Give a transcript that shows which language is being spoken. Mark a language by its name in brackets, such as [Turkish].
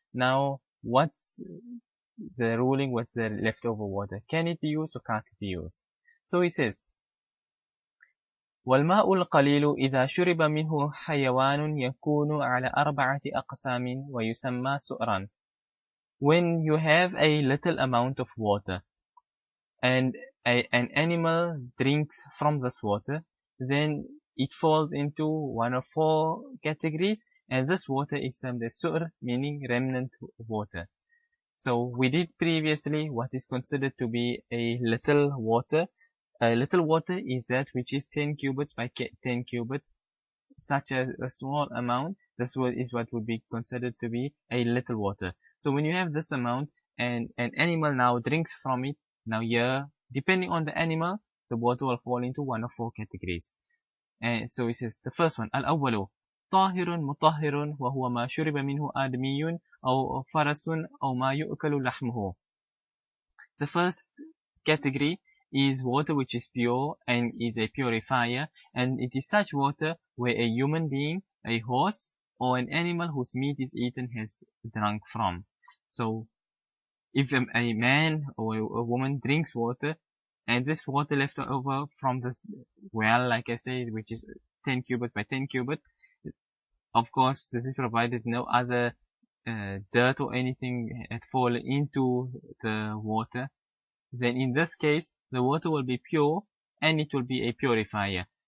[English] Now, what's the ruling with the leftover water? Can it be used or can't it be used? So he says, [Arabic] وَالْمَاءُ الْقَلِيلُ إِذَا شُرِبَ مِنْهُ حَيَوَانٌ يَكُونُ عَلَى أَرْبَعَةِ أَقْسَامٍ وَيُسَمَّى سُؤْرًا. [English] When you have a little amount of water, and an animal drinks from this water, then it falls into one of four categories, and this water is termed as su'r, meaning remnant water. So we did previously what is considered to be a little water. A little water is that which is 10 cubits by 10 cubits, such as a small amount. This is what would be considered to be a little water. So when you have this amount, and an animal now drinks from it, now here, depending on the animal, the water will fall into one of four categories. And so he says, the first one, [Arabic] al-awwalu, طَاهِرٌ مُطَاهِرٌ وَهُوَ مَا شُرِبَ مِنْهُ آدْمِيٌ أَوْ فَرَسٌ أَوْ مَا يُؤْكَلُ لَحْمُهُ. [English] The first category is water which is pure and is a purifier, and it is such water where a human being, a horse, or an animal whose meat is eaten has drunk from. So if a man or a woman drinks water, and this water left over from this well, like I say, which is 10 cubit by 10 cubit, of course, this is provided no other dirt or anything had fallen into the water, then in this case, the water will be pure, and it will be a purifier.